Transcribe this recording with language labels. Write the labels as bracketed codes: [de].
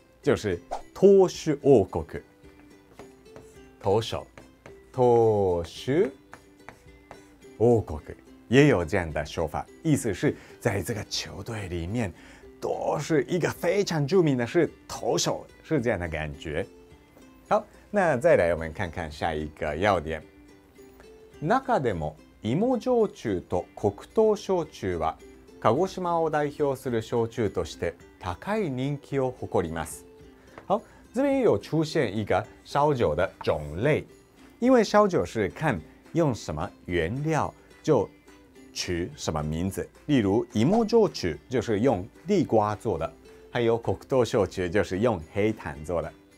[zh] 就是投手王国，投手，投手王国，也有这样的说法，意思是在这个球队里面都是一个非常著名的是投手，是这样的感觉。好，那再来我们看看下一个要点。 [ja] 中でも芋焼酎と黒糖焼酎は鹿児島を代表する焼酎として高い人気を誇ります。 [zh] 好，这边有出现一个烧酒的种类，因为烧酒是看用什么原料就取什么名字，例如芋焼酎就是用地瓜做的，还有黒糖焼酎就是用黑糖做的。